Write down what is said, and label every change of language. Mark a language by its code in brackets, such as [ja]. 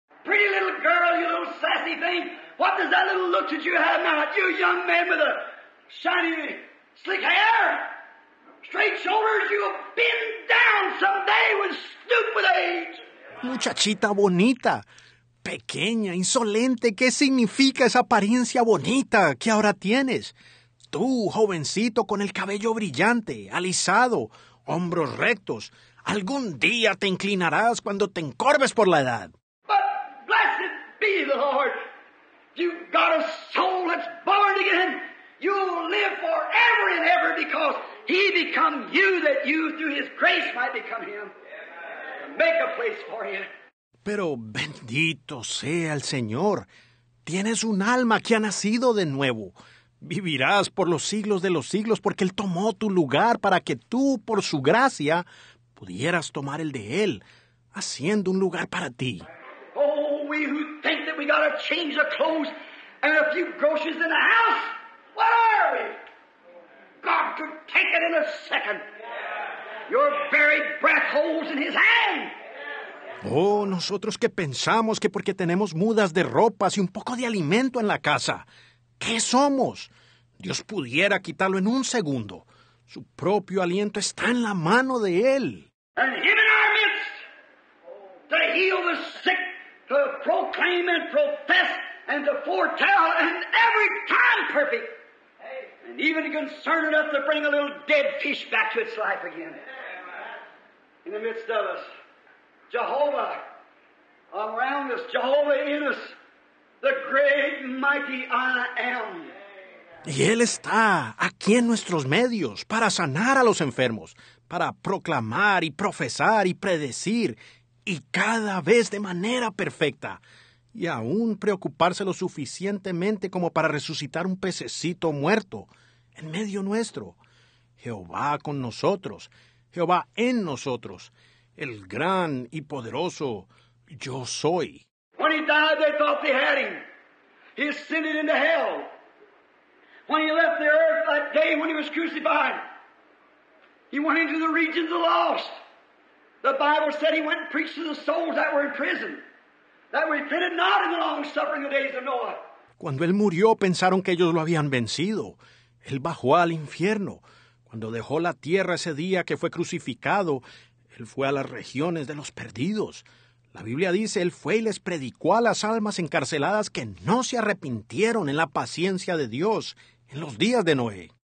[en] Pretty little girl, you little sassy thing. What does that little look that you have now? You young man with a shiny, slick hair, straight shoulders, you'll bend down someday with stupid age. [es] Muchachita bonita, pequeña, insolente, ¿qué significa esa apariencia bonita que ahora tienes? Tú, jovencito, con el cabello brillante, alisado, hombros rectos, algún día te inclinarás cuando te encorves por la edad. [en] But blessed be the Lord. You've got a soul that's born again. You'll live forever and ever because he become you that you through his grace might become him. Make a place for you. [es] Pero bendito sea el Señor. Tienes un alma que ha nacido de nuevo. Vivirás por los siglos de los siglos porque Él tomó tu lugar para que tú, por su gracia, pudieras tomar el de Él, haciendo un lugar para ti. [en] Oh, we who think that we got a change of clothes and a few groceries in the house, what are we? God could take it in a second. Your very breath holds in His hand. [es] Oh, nosotros que pensamos que porque tenemos mudas de ropas y un poco de alimento en la casa, ¿qué somos? Dios pudiera quitarlo en un segundo. Su propio aliento está en la mano de Él. [en] And him in our midst, to heal the sick, to proclaim and profess and to foretell and every time perfect. And even concerned enough to bring a little dead fish back to its life again. In the midst of us, Jehovah around us, Jehovah in us. The great mighty I am. [es] Y Él está aquí en nuestros medios para sanar a los enfermos, para proclamar y profesar y predecir, y cada vez de manera perfecta, y aún preocuparse lo suficientemente como para resucitar un pececito muerto en medio nuestro. Jehová con nosotros, Jehová en nosotros, el gran y poderoso Yo Soy. [en] When he died, they thought they had him. He ascended into hell. When he left the earth that day when he was crucified, he went into the regions of the lost. The Bible said he went and preached to the souls that were in prison, that repented not in the long suffering of the days of Noah. [es] Cuando él murió, pensaron que ellos lo habían vencido. Él bajó al infierno. Cuando dejó la tierra ese día que fue crucificado, él fue a las regiones de los perdidos. La Biblia dice, Él fue y les predicó a las almas encarceladas que no se arrepintieron en la paciencia de Dios en los días de Noé.